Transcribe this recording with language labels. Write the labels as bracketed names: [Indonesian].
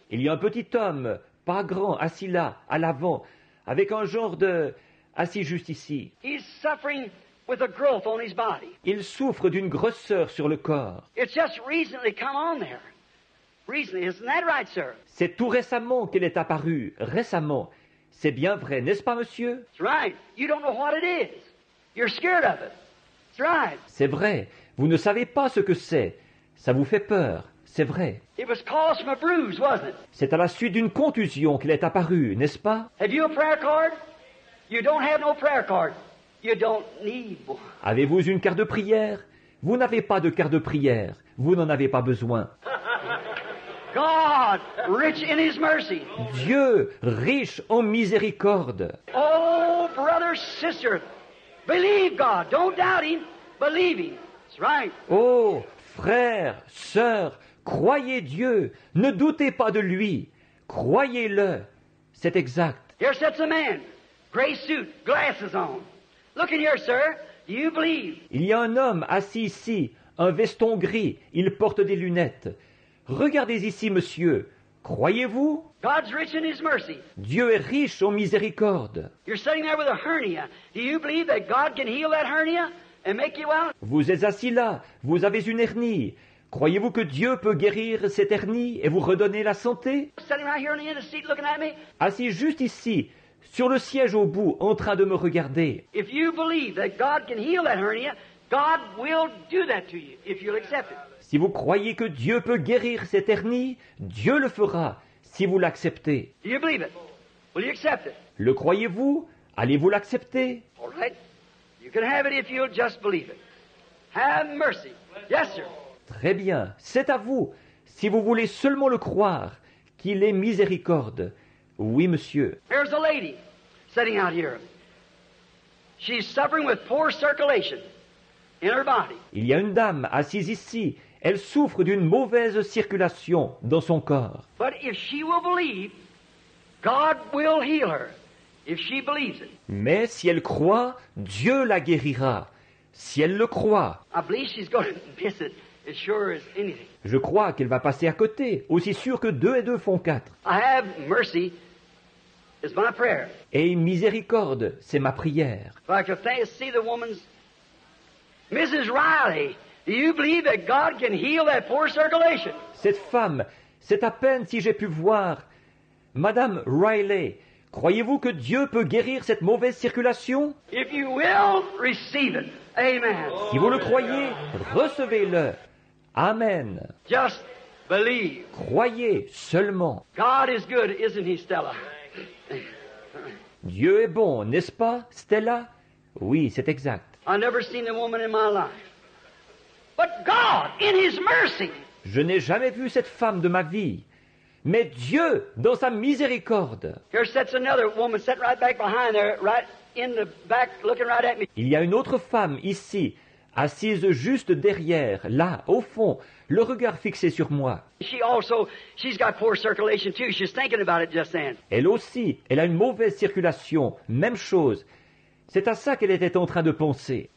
[French] Il y a un petit homme, pas grand, assis là, à l'avant, avec un genre de assis juste ici. [English] He's suffering with a growth on his body. [French] Il souffre d'une grosseur sur le corps. [English] It's just recently come on there. Recently, isn't that right, sir? [French] C'est tout récemment qu'elle est apparue. Récemment. C'est bien vrai, n'est-ce pas, monsieur? [English] It's right. You don't know what it is. You're scared of it. It's right. [French] C'est vrai. Vous ne savez pas ce que c'est. Ça vous fait peur. C'est vrai. [English] It was caused from a bruise, wasn't it? [French] C'est à la suite d'une contusion qu'elle est apparue, n'est-ce pas? [English] Have you a prayer card? You don't have no prayer card. You don't need one. [French] Avez-vous une carte de prière? Vous n'avez pas de carte de prière. Vous n'en avez pas besoin. [English] God, rich in his mercy. [French] Dieu, riche en miséricorde. [English] Oh, brother, sister, believe God. Don't doubt him. Believe him. That's right. [French] Oh, frère, sœur, croyez Dieu. Ne doutez pas de lui. Croyez-le. C'est exact. [English] Here sits a man, gray suit, glasses on. Look in here, sir. Do you believe? [French] Il y a un homme assis ici, un veston gris. Il porte des lunettes. Regardez ici, monsieur. Croyez-vous? [English] God's rich in his mercy. [French] Dieu est riche en miséricorde. [English] You're sitting there with a hernia. Do you believe that God can heal that hernia and make you well? [French] Vous êtes assis là. Vous avez une hernie. Croyez-vous que Dieu peut guérir cette hernie et vous redonner la santé? [English] Sitting right here on the end of the seat looking at me. [French] Assis juste ici, sur le siège au bout, en train de me regarder. [English] If you believe that God can heal that hernia, God will do that to you if you'll accept it. [French] Si vous croyez que Dieu peut guérir cette hernie, Dieu le fera si vous l'acceptez. [English] Do you believe it? Will you accept it? [French] Le croyez-vous? Allez-vous l'accepter? [English] All right. You can have it if you'll just believe it. Have mercy. Yes, sir. [French] Très bien. C'est à vous. Si vous voulez seulement le croire, qu'il ait miséricorde. Oui, monsieur. [English] There's a lady sitting out here. She's suffering with poor circulation. [French] Il y a une dame assise ici. Elle souffre d'une mauvaise circulation dans son corps. [English] But if she will believe, God will heal her if she believes it. [French] Mais si elle croit, Dieu la guérira. Si elle le croit. [English] I believe she's going to miss it as sure as anything. [French] Je crois qu'elle va passer à côté, aussi sûr que deux et deux font quatre. [English] I have mercy. It's my prayer. [French] Et miséricorde, c'est ma prière. [English] If I could see the woman's Mrs. Riley, do you believe that God can heal that poor circulation? [French] Cette femme, c'est à peine si j'ai pu voir. Madame Riley, croyez-vous que Dieu peut guérir cette mauvaise circulation? [English] If you will receive it, amen. [French] Si vous le croyez, recevez-le. [English] Amen. Just believe. [French] Croyez seulement. [English] God is good, isn't he, Stella? [French] Dieu est bon, n'est-ce pas, Stella? Oui, c'est exact. [English] I've never seen a woman in my life. But God, in his mercy. [French] Je n'ai jamais vu cette femme de ma vie. Mais Dieu, dans sa miséricorde. [English] Here sits another woman, sitting right back behind there, right in the back, looking right at me. [French] Il y a une autre femme ici, assise juste derrière, là, au fond, le regard fixé sur moi. [English] She also, she's got poor circulation too. She's thinking about it just then. [French] Elle aussi, elle a une mauvaise circulation. Même chose. C'est à ça qu'elle était en train de penser.